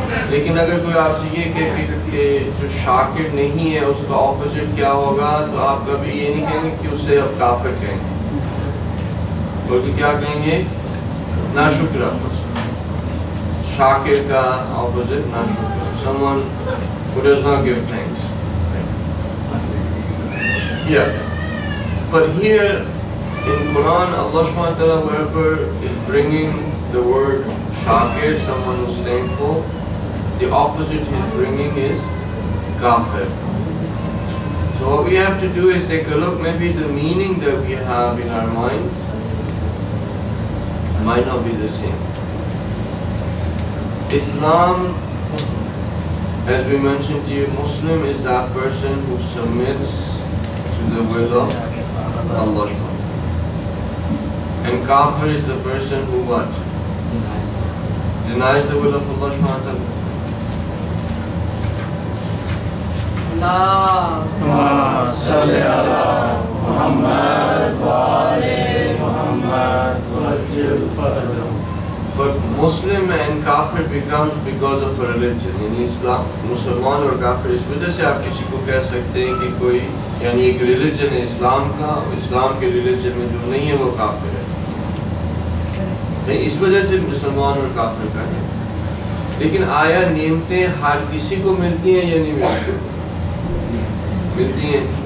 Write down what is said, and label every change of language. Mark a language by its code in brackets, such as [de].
[ur] لیکن اگر کوئی آپ سے یہ کہ جو شاکر نہیں ہے اس کا اپوزٹ کیا ہوگا, تو آپ کبھی یہ نہیں کہیں گے کہ اسے آپ کافر کہیں گے, بلکہ کیا کہیں گے؟ ناشکر. شاکر کا opposite ناشکر, [en] Someone give thanks. But here in Quran, Allah subhanahu wa ta'ala, wherever is bringing the word shakir, someone who's thankful, the opposite he's bringing is kafir. So what we have to do is take a look, maybe the meaning that we have in our minds might not be the same. Islam, as we mentioned to you, Muslim is that person who submits to the will of Allah, and kafir is the person who what? Denies the will of Allah subhanahu wa ta'ala. [ar] Allahumma salli ala Muhammad wa ali Muhammad wa jil fadlum. [en] But Muslim and kafir becomes because of religion. In Islam, [ur] Musliman or kafir, is wajah se aap kisi ko keh sakte hain ki koi, یعنی ایک religion ہے اسلام کا, اسلام کے religion میں جو نہیں ہے وہ کافر ہے, نہیں اس وجہ سے مسلمان اور کافر کا ہے. لیکن آیا نعمتیں ہر کسی کو ملتی ہیں یا نہیں ملتی؟ ملتی ہیں.